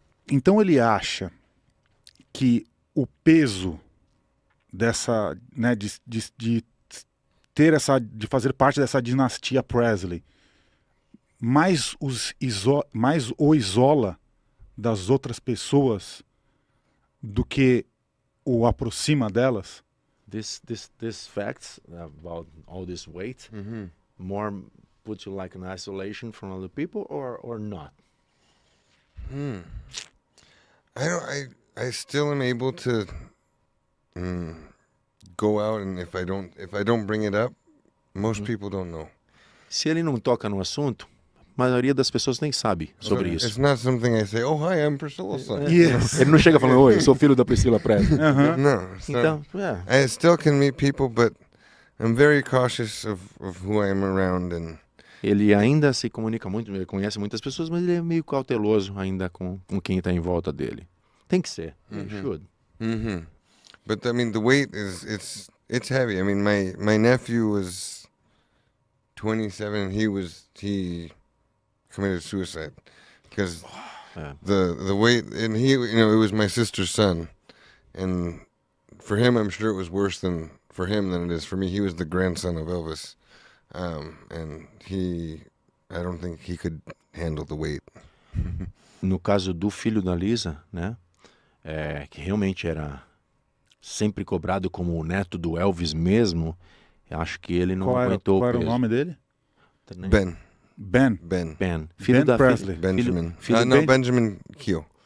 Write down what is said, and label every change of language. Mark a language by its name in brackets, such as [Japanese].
[Portuguese] Então, ele acha que o peso dessa, né, de fazer parte dessa dinastia Presley mais o isola das outras pessoas do que o aproxima delas? [English] This facts about all this weight, mm-hmm, more put you like an isolation from other people or not? I still am able to go out, and if I don't bring it up, most people don't know. [Portuguese] Se ele não toca no assunto, a maioria das pessoas nem sabe sobre isso. [English] It's not something I say, oh, hi, I'm Priscilla. Yes. [Portuguese] Ele não chega falando, oi, sou filho da Priscilla Presley. [English] Uh-huh. No. So, [Portuguese] então, [English] I still can meet people, but I'm very cautious of who I am around. And [Portuguese] ele ainda se comunica muito, ele conhece muitas pessoas, mas ele é meio cauteloso ainda com quem está em volta dele. Tem que ser. Mm-hmm. [English] Should. Mm-hmm. But, I mean, the weight is, it's heavy. I mean, my nephew was 27, he committed suicide because the weight, and he, you know, it was my sister's son, and for him, I'm sure it was worse than for him than it is for me. He was the grandson of Elvis, and he, I don't think he could handle the weight. [Portuguese] No caso do filho da Lisa, né, que realmente era sempre cobrado como o neto do Elvis mesmo, acho que ele não aguentou. Qual era o nome dele? Ben. Ben. Filho Ben da Presley. Benjamin. Benjamin Keel.